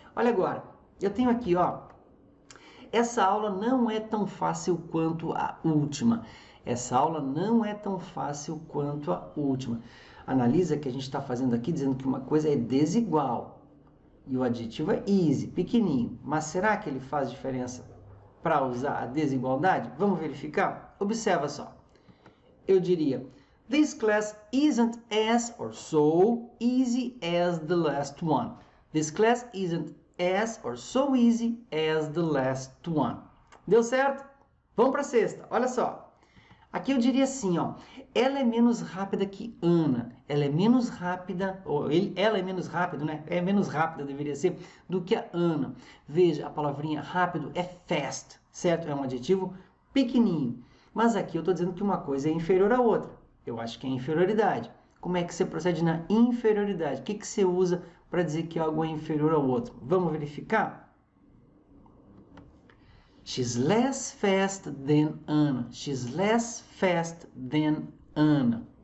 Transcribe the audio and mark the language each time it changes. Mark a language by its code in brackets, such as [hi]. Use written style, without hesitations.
[pt] Olha agora, eu tenho aqui, ó. Essa aula não é tão fácil quanto a última. Essa aula não é tão fácil quanto a última. Analisa que a gente está fazendo aqui, dizendo que uma coisa é desigual. E o adjetivo é easy, pequenininho. Mas será que ele faz diferença para usar a desigualdade? Vamos verificar? Observa só. [en] Eu diria: This class isn't as or so easy as the last one. This class isn't as or so easy as the last one. [pt] Deu certo? Vamos para a sexta. Olha só. Aqui eu diria assim, ó, ela é menos rápida que Ana, ela é menos rápida, ou ele, ela é menos rápido, né? É menos rápida, deveria ser, do que a Ana. Veja, a palavrinha rápido é fast, certo? É um adjetivo pequenininho. Mas aqui eu estou dizendo que uma coisa é inferior à outra. Eu acho que é inferioridade. Como é que você procede na inferioridade? O que que você usa para dizer que algo é inferior ao outro? Vamos verificar? [en] She's less fast than Anna. She's less fast than Anna.